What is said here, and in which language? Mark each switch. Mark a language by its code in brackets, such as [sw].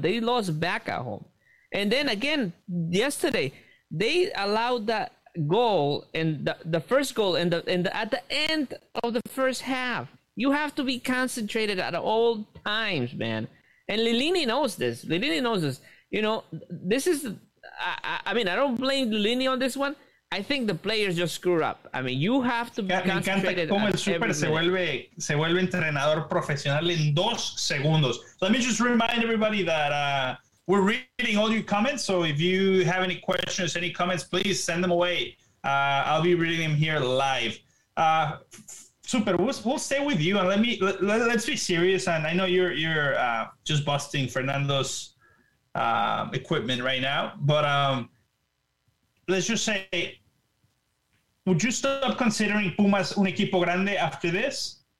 [en] They lost back at home. And then again, yesterday, they allowed that goal and the first goal at the end of the first half. You have to be concentrated at all times, man. And Lilini knows this. You know, this is, I mean, I don't blame Lilini on this one. I think the players just screw up. I mean, you have to be concentrated. [es] Me encanta cómo el Super se vuelve entrenador profesional en dos segundos. [en] So let me just remind everybody that we're reading all your comments. So if you have any questions, any comments, please send them away. I'll be reading them here live. Super, we'll stay with you and let's be serious. And I know you're just busting Fernando's equipment right now, but let's just say, would you stop considering Pumas [es] un equipo grande [en] after this?